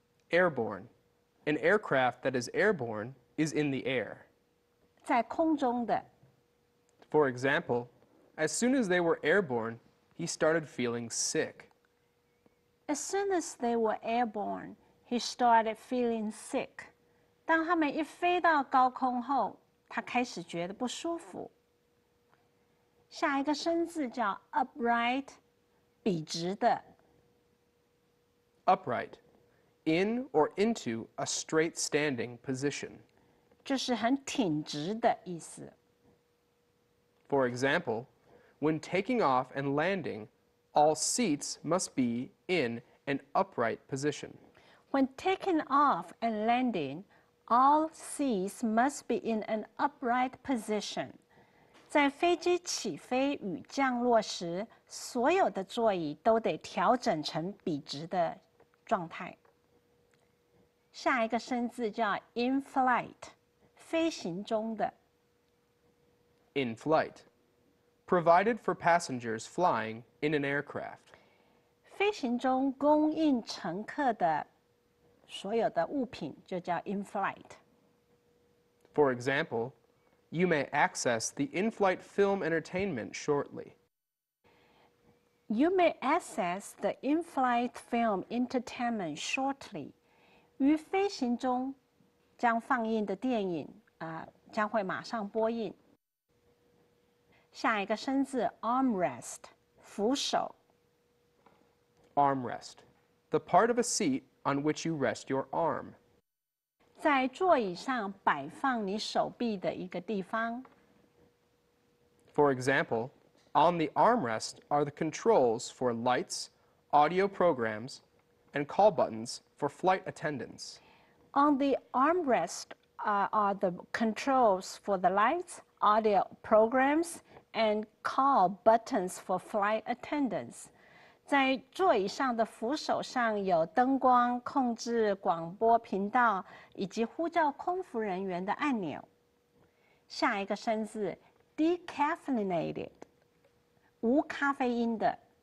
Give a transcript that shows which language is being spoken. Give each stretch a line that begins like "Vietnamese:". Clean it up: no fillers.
English: Airborne, an aircraft that is airborne is in the air.
Chinese: 在空中的。
English: For example, as soon as they were airborne, he started feeling sick. As soon as they were airborne, he started feeling sick.
Chinese: 当他们一飞到高空后，他开始觉得不舒服。下一个生字叫 upright, 笔直的。
English: Upright, in or into a straight standing position.
Chinese: 就是很挺直的意思。
English: For example, when taking off and landing, all seats must be in an upright position. When taking off and landing, all seats must be in an upright position.
Chinese: 在飞机起飞与降落时，所有的座椅都得调整成笔直的状态。下一个生字叫 in flight, 飞行中的。
English: In flight, provided for passengers flying in an aircraft.
Chinese: 飞行中供应乘客的所有的物品就叫 in flight.
English: For example, you may access the in-flight film entertainment shortly. You may access the in-flight film entertainment shortly.
Chinese: 于飞行中将放映的电影将会马上播映。下一个生字 armrest, 扶手。
English: Armrest, the part of a seat on which you rest your arm.
Chinese: 在座椅上摆放你手臂的一个地方。
English: For example, on the armrest are the controls for lights, audio programs, and call buttons for flight attendants. On the armrest are the controls for the lights, audio programs,and call buttons for flight attendants.
Chinese: 在座椅上的扶手上有灯光、控制广播频道以及呼叫空服人员的按钮。下一个生字 decaffeinated, 无咖啡因的。